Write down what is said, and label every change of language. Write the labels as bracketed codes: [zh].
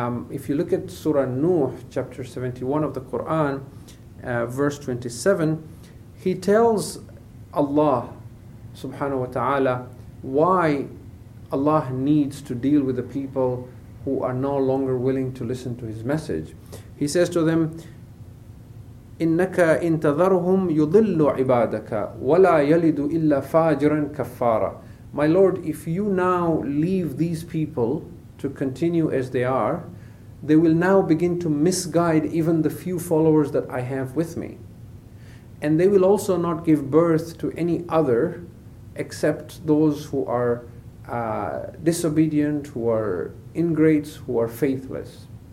[en] If you look at Surah Nuh, chapter 71 of the Quran, verse 27, he tells Allah subhanahu wa ta'ala why Allah needs to deal with the people who are no longer willing to listen to his message. He says to them, [ar] إِنَّكَ إِن تَذَرْهُمْ يُضِلُّ عِبَادَكَ وَلَا يَلِدُ إِلَّا فَاجِرًا كَفَّارًا. [en] My Lord, if you now leave these people to continue as they are, they will now begin to misguide even the few followers that I have with me. And they will also not give birth to any other except those who are disobedient, who are ingrates, who are faithless.